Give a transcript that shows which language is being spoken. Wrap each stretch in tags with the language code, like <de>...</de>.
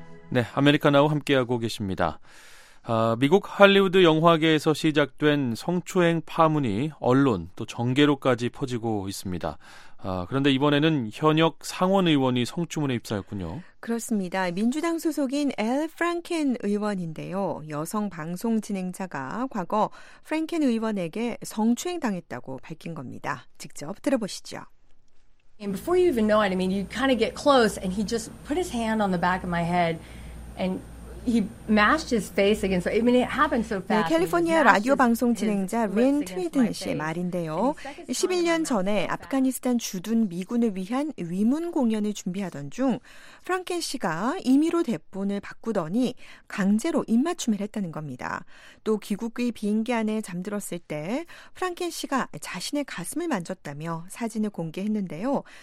<ko>네, 아메리카나우 함께하고 계십니다. 미국 할리우드 영화계에서 시작된 성추행 파문이 언론 또 정계로까지 퍼지고 있습니다. 그런데 이번에는 현역 상원의원이 성추문에 휩싸였군요. 그렇습니다. 민주당 소속인 엘 프랑켄 의원인데요. 여성 방송 진행자가 과거 프랑켄 의원에게 성추행 당했다고 밝힌 겁니다. 직접 들어보시죠.</ko> <en>And before you even know it, I mean, you kind of get close and he just put his hand on the back of my head and he mashed his face against me. I mean, it happened so fast.</en> <ko>네, 캘리포니아 라디오 방송 진행자 린 트위든 씨의 말인데요. 11년 전에 아프가니스탄 주둔 미군을 위한 위문 공연을 준비하던 중 프랑켄 씨가 임의로 대본을 바꾸더니 강제로 입맞춤을 했다는 겁니다. 또 귀국의 비행기 안에 잠들었을 때 프랑켄 씨가 자신의 가슴을 만졌다며 사진을 공개했는데요.</ko>